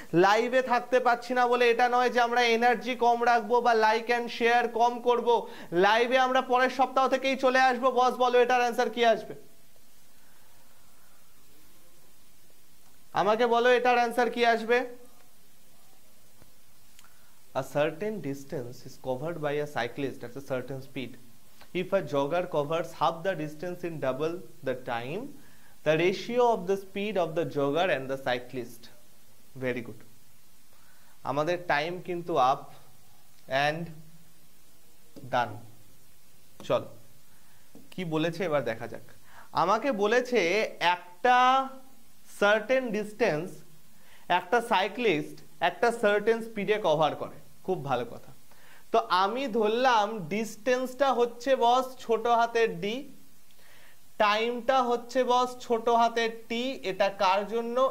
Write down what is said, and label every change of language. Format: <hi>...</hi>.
<bn>লাইভে থাকতে পারছি না বলে এটা নয় যে আমরা এনার্জি কম রাখবো বা লাইক অ্যান্ড শেয়ার কম করব, লাইভে আমরা পরের সপ্তাহ থেকেই চলে আসবো। বস বলো এটার অ্যান্সার কি আসবে, আমাকে বলো এটার অ্যান্সার কি আসবে।</bn> <en>A certain distance is covered by a cyclist at a certain speed. If a jogger covers half the distance in double the time, the ratio of the speed of the jogger and the cyclist. Very good.</en> <bn>আমাদের time কিন্তু up and done. চল কি বলেছে এবার দেখা যাক। আমাকে বলেছে একটা সার্টেন ডিস্টেন্স একটা সাইক্লিস্ট একটা সার্টেন স্পিডে কভার করে, খুব ভালো কথা। তো আমি ধরলাম ডিস্টেন্সটা হচ্ছে বস ছোট হাতের ডি, টাইমটা হচ্ছে বস ছোট হাতের টি, এটা কার জন্য?</bn>